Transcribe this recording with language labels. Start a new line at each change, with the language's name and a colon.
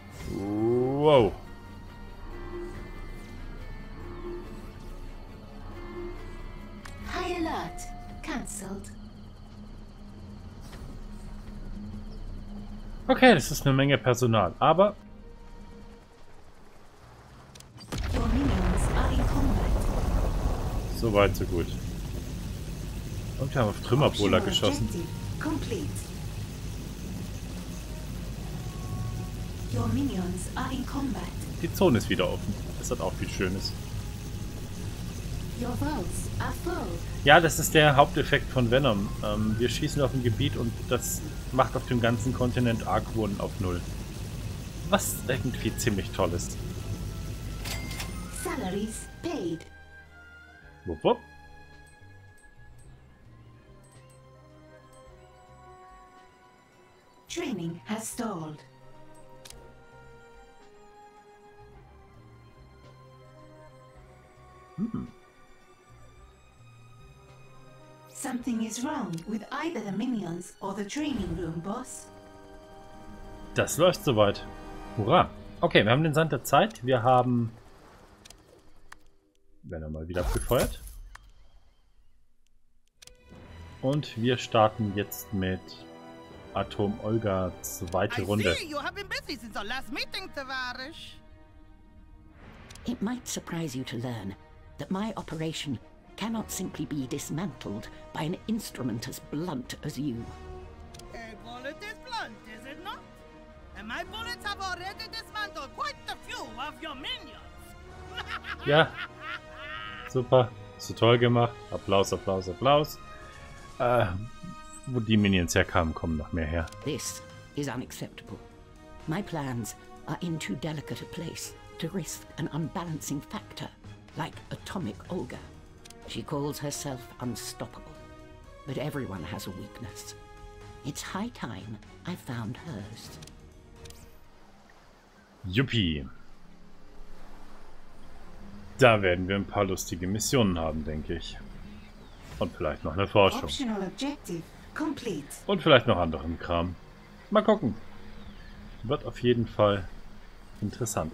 English: Wow. High alert. Cancelled.
German: Okay, das ist eine Menge Personal, aber...
English: Your minions are in combat.
German: So weit, so gut. Und wir haben auf Trümmerbowler geschossen.
English: Complete. Your minions are in combat.
German: Die Zone ist wieder offen. Das hat auch viel Schönes.
English: Your vaults are full.
German: Ja, das ist der Haupteffekt von Venom. Wir schießen auf ein Gebiet und das macht auf dem ganzen Kontinent Argwohn auf Null. Was irgendwie ziemlich toll ist.
English: Salaries paid. Wupp, wupp. Training has stalled. Something is wrong with either the minions or the training room, boss.
German: Das läuft soweit. Hurra. Okay, wir haben den Sand der Zeit. Wir haben... Werden wir mal wieder abgefeuert. Und wir starten jetzt mit Atom Olga, zweite Runde.
English: I see, you have been busy since our last meeting, Tavarish. It might surprise you to learn that my operation cannot simply be dismantled by an instrument as blunt as you. A bullet is blunt, is it not? And my bullets have already dismantled quite a few of your minions.
German: Ja. Super. Hast du toll gemacht. Applaus, Applaus, Applaus. Wo die Minions herkamen, kommen noch mehr her.
English: This is unacceptable. My plans are in too delicate a place to risk an unbalancing factor like Atomic Olga. She calls herself unstoppable, but everyone has a weakness. It's high time I found hers. Yuppie.
German: Da werden wir ein paar lustige Missionen haben, denke ich. Und vielleicht noch eine Forschung.
English: Optional objective complete.
German: Und vielleicht noch anderen Kram. Mal gucken. Wird auf jeden Fall interessant.